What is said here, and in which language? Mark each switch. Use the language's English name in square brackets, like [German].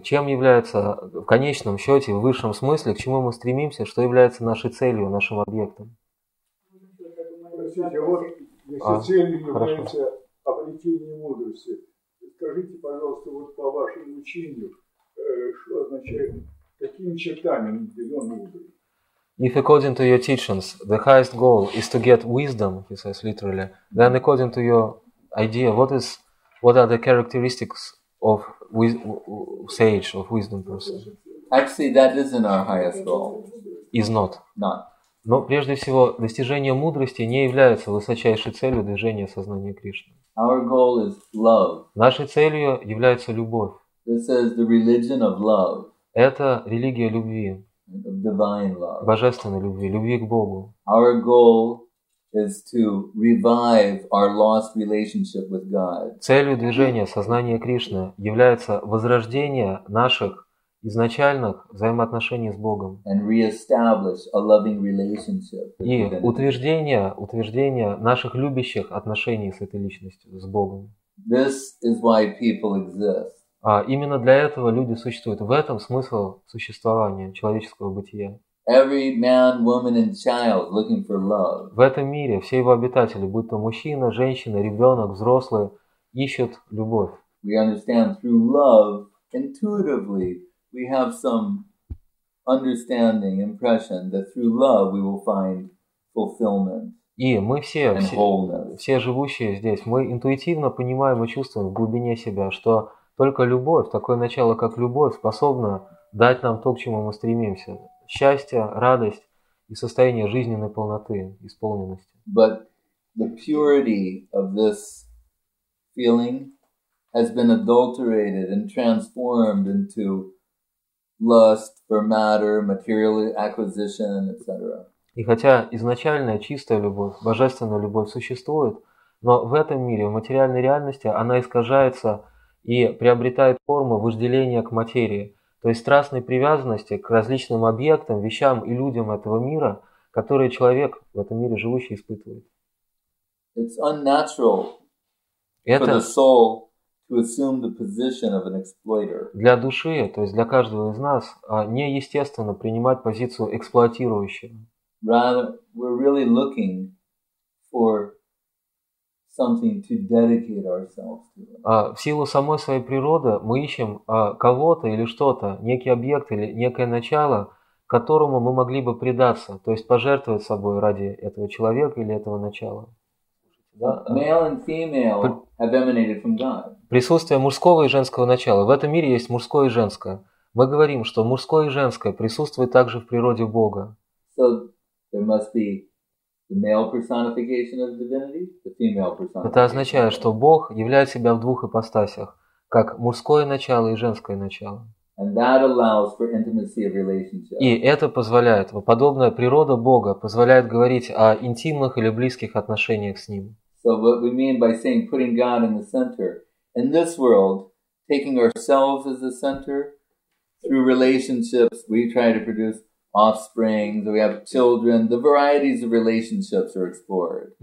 [Russian] Чем является в конечном счете, в высшем смысле, к чему мы стремимся, что является нашей целью, нашим объектом? Простите, вот если целью является обретение мудрости, скажите, пожалуйста, вот по вашему учению, что означает? [English] If according to your teachings, the highest goal is to get wisdom, he says literally, then according to your idea, what are the characteristics of sage, of wisdom person? Actually, that isn't our highest goal. Is not. Not. [Russian] Но прежде всего, достижение мудрости не является высочайшей целью движения сознания Кришны. [English] Our goal is love. [Russian] Нашей целью является любовь. [English] This is the religion of love. [Russian] Это религия любви, [English] divine love. [Russian] Божественной любви, любви к Богу. [English] Our goal is to revive our lost relationship with God. [Russian] Целью движения сознания Кришны является возрождение наших изначальных взаимоотношений с Богом. [English] And re-establish a loving relationship with [Russian] И утверждение наших любящих отношений с этой личностью, с Богом. [English] This is why people exist. [Russian] А именно для этого люди существуют. В этом смысл существования человеческого бытия. [English] Every man, woman and child looking for love. [Russian] В этом мире все его обитатели, будь то мужчина, женщина, ребенок, взрослые, ищут любовь. [English] We understand through love, intuitively, we have some understanding, impression that through love we will find fulfillment. [Russian] И мы все живущие здесь, мы интуитивно понимаем и чувствуем в глубине себя, что только любовь, такое начало, как любовь, способна дать нам то, к чему мы стремимся. Счастье, радость и состояние жизненной полноты, исполненности. [English] But the purity of this feeling has been adulterated and transformed into lust for matter, material acquisition, etc. [Russian] И хотя изначальная чистая любовь, божественная любовь существует, но в этом мире, в материальной реальности, она искажается и приобретает форму вожделения к материи, то есть страстной привязанности к различным объектам, вещам и людям этого мира, которые человек в этом мире живущий испытывает. [English] It's unnatural for the soul to assume the position of an exploiter. [Russian] Для души, то есть для каждого из нас, неестественно принимать позицию эксплуатирующего. [English] Rather, we're really looking for something to dedicate ourselves to. [Russian] В силу самой своей природы мы ищем кого-то или что-то, некий объект или некое начало, которому мы могли бы предаться, то есть пожертвовать собой ради этого человека или этого начала. [English] Male and female have emanated from God. [Russian] Присутствие мужского и женского начала. В этом мире есть мужское и женское. Мы говорим, что мужское и женское присутствуют также в природе Бога. [English] So there must be the male personification of divinity, the female personification. [Russian] Это означает, что Бог являет себя в двух ипостасях, как мужское начало и женское начало. [English] And that allows for intimacy of relationship. [Russian] И это позволяет, подобная природа Бога позволяет говорить о интимных или близких отношениях с Ним. [English] So what we mean by saying putting God in the center, in this world, taking ourselves as the center, through relationships, we try to produce offspring, we have children, the varieties of relationships are explored.